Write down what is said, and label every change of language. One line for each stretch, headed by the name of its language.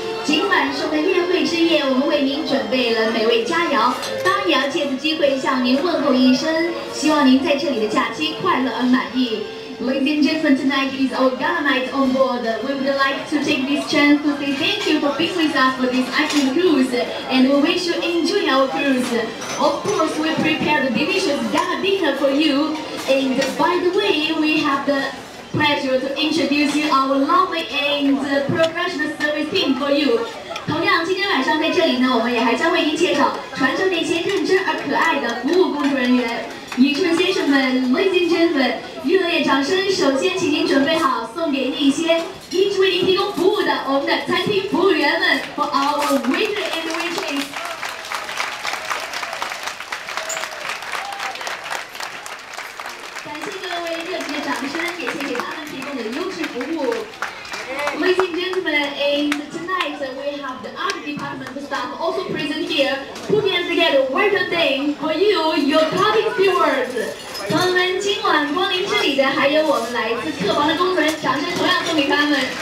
Chinese: 今晚盛大宴会之夜，我们为您准备了美味佳肴。当然也要借此机会向您问候一声，希望您在这里的假期快乐而满意。
English: Ladies and gentlemen, tonight is our gala night on board. We would like to take this chance to say thank you for being with us for this excellent cruise, and we wish you enjoy our cruise. Of course, we prepared a delicious gala dinner for you. And by the way, we have the pleasure to introduce you our lovely and professional service team for you.
Chinese: 同样，今天晚上在这里呢，我们也还将为您介绍船上那些认真而可爱的服务工作人员。女士们、先生们、
English: ladies and gentlemen，
Chinese: 热烈掌声！首先，请您准备好送给那些一直为您提供服务的我们的餐厅服务员们 ，
English: for our waiter and waitress。
Chinese: 感谢各位热情的掌声，也谢谢他们提供的优质服务。
English: Ladies and gentlemen, and tonight we have the art department staff also present here, putting us together. Welcome, Dane, for you, your parting few words.
Chinese: 朋友们，今晚光临这里的还有我们来自客房的工作人员，掌声同样送给他们。